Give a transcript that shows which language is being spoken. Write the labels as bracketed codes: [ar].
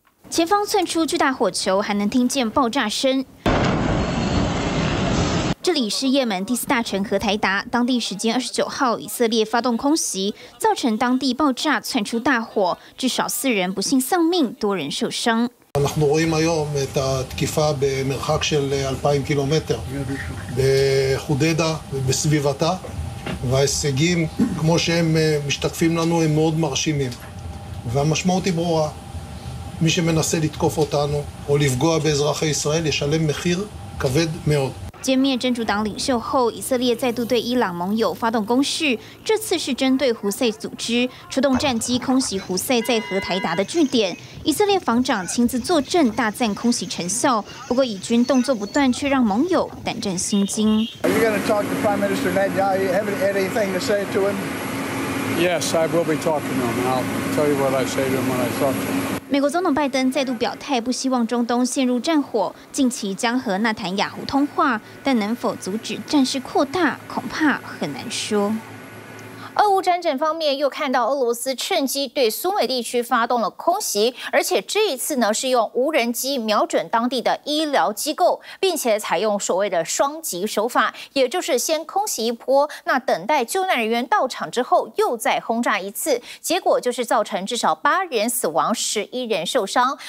[zh] 前方窜出巨大火球，还能听见爆炸声。这里是也门第四大城荷台达，当地时间29号，以色列发动空袭，造成当地爆炸，窜出大火，至少四人不幸丧命，多人受伤。 [he] אנחנו רואים היום את התקיפה במרחק של 2,000 קילומטר בחודדה ובסביבתה, וההישגים כמו שהם משתקפים לנו הם מאוד מרשימים, והמשמעות היא ברורה, מי שמנסה לתקוף אותנו או לפגוע באזרחי ישראל ישלם מחיר כבד מאוד. [zh] 歼灭真主党领袖后，以色列再度对伊朗盟友发动攻势，这次是针对胡塞组织，出动战机空袭胡塞在荷台达的据点。以色列防长亲自坐镇，大赞空袭成效。不过以军动作不断，却让盟友胆战心惊。 [en] Are you going to talk to Prime Minister Netanyahu? You have anything to say to him? Yes, I will be talking to him. I'll tell you what I say to him when I talk to him. [zh] 美国总统拜登再度表态，不希望中东陷入战火，近期将和纳坦雅胡通话，但能否阻止战事扩大，恐怕很难说。俄乌战争方面又看到俄罗斯趁机对苏美地区发动了空袭，而且这一次呢是用无人机瞄准当地的医疗机构，并且采用所谓的双击手法，也就是先空袭一波，那等待救难人员到场之后又再轰炸一次，结果就是造成至少八人死亡，11人受伤。